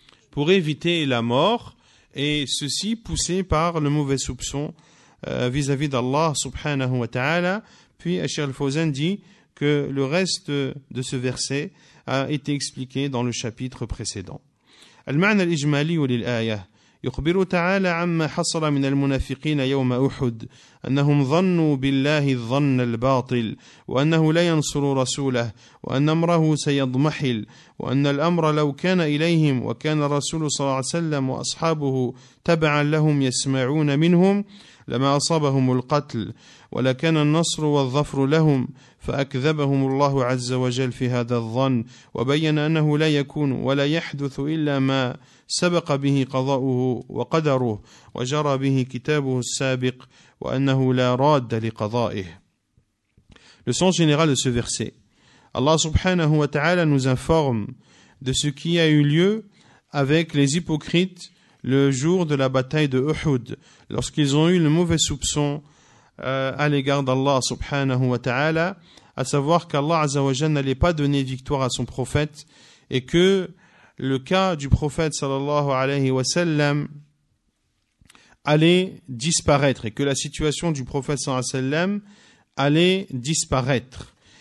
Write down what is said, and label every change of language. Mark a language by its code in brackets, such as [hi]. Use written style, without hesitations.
[fr] Pour éviter la mort, et ceci poussé par le mauvais soupçon vis-à-vis d'Allah subhanahu wa ta'ala. Puis Cheikh Al-Fawzan dit que le reste de ce verset a été expliqué dans le chapitre précédent. [ar] المعنى الإجمالي للآية يخبر تعالى عما حصل من المنافقين يوم أحد أنهم ظنوا بالله الظن الباطل وأنه لا ينصر رسوله وأن أمره سيضمحل وأن الأمر لو كان إليهم وكان الرسول صلى الله عليه وسلم وأصحابه تبعا لهم يسمعون منهم لما أصابهم القتل ولكان النصر والظفر لهم فأكذبهم الله عز وجل في هذا الظن وبين أنه لا يكون ولا يحدث إلا ما سبق به قضاؤه وقدره وجرى به كتابه السابق وأنه لا راد لقضائه. [fr] Le sens général de ce verset. Allah subhanahu wa ta'ala nous informe de ce qui a eu lieu avec les hypocrites le jour de la bataille de Uhud, lorsqu'ils ont eu le mauvais soupçon à l'égard d'Allah subhanahu wa ta'ala, à savoir qu'Allah azawajal n'allait pas donner victoire à son prophète et que le cas du prophète sallallahu alayhi wa sallam allait disparaître et que la situation du prophète sallallahu alayhi wa sallam allait disparaître.